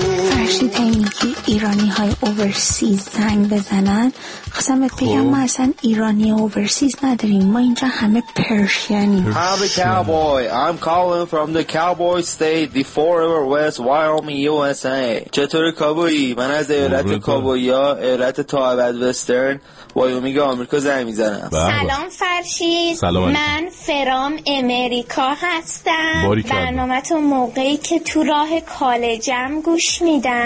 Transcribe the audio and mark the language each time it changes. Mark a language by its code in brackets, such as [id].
[fa] فرشید اینکه ایرانی های اوورسیز زنگ بزنن، خواستم به پیام ما اصلا ایرانی اوورسیز نداریم، ما اینجا همه پرشینیم. [en] I'm a cowboy, I'm calling from the cowboy state, the forever west, Wyoming, USA. [fa] چطور کابویی؟ من از ایالت کابویی ها، ایالت تا ابد وسترن، وایومینگ آمریکا زنگ میزنم. سلام فرشید. سلام. من فرام امریکا هستم. برنامه تو موقعی که تو راه کالجم گوش میدم.